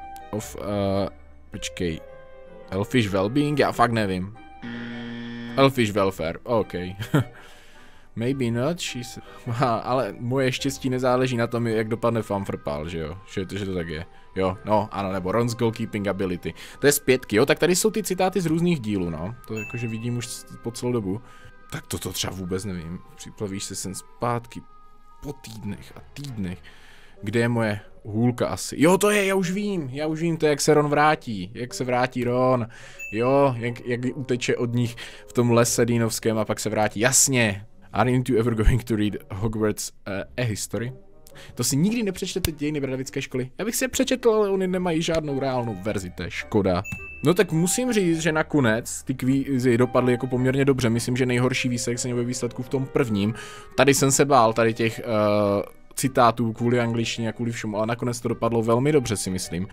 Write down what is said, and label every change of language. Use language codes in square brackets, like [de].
[cs] Of, počkej, Elfish Wellbeing, já fakt nevím. [en] Elfish Welfare, ok. Maybe not, she's... [cs] ale moje štěstí nezáleží na tom, jak dopadne Fumfrpal, že jo, že to tak je. Jo, no, ano, nebo [en] Ron's goalkeeping ability. [cs] To je z pětky, jo, tak tady jsou ty citáty z různých dílů, no. To jakože vidím už po celou dobu. Tak toto třeba vůbec nevím. Připlavíš se sem zpátky po týdnech a týdnech. Kde je moje hůlka asi? Jo, to je, já už vím, to je, jak se Ron vrátí. Jak se vrátí Ron. Jo, jak uteče od nich v tom lese dýnovském a pak se vrátí. Jasně. [en] Aren't you ever going to read Hogwarts e-history? [cs] To si nikdy nepřečtete dějiny bradavické školy. Já bych si je přečetl, ale oni nemají žádnou reálnou verzi, to je škoda. No tak musím říct, že nakonec ty kvízy dopadly jako poměrně dobře. Myslím, že nejhorší výsek se měl ve výsledku v tom prvním. Tady jsem se bál, tady těch citátů kvůli angličtině a kvůli všemu, ale nakonec to dopadlo velmi dobře, si myslím.